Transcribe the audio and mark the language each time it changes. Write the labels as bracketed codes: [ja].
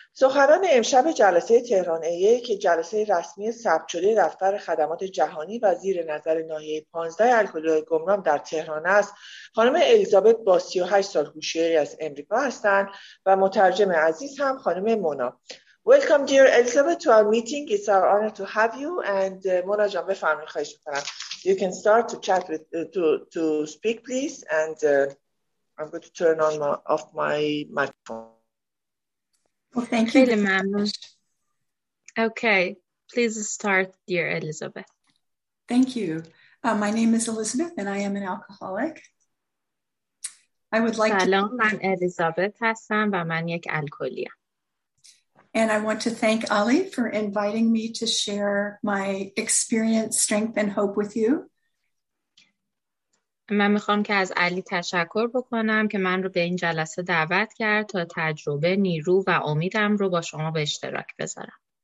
[fa] سخنان امشب جلسه تهران ایه که جلسه رسمی ثبت شده دفتر خدمات جهانی و زیر نظر ناحیه 15 الکلی گمنام در تهران است، خانم الیزابت با 38 سال هوشیاری از امریکا هستند و مترجم عزیز هم خانم مونا. [en] Welcome dear Elizabeth to our meeting. It's our honor to have you. And [fa] مونا جان بفرمی خواهش میکنم. [en] You can start to chat with, to speak please. And I'm going to turn on my, off my microphone. Well, thank you. Okay, please start, dear Elizabeth. Thank you. My name is Elizabeth and I am an alcoholic. I would like [fa] سلام. من الیزابت هستم و من یک الکلیم. [en] And I want to thank Ali for inviting me to share my experience, strength and hope with you. [fa] من میخوام که از علی تشکر بکنم که من رو به این جلسه دعوت کرد تا تجربه، نیرو و امیدم رو با شما به اشتراک بذارم.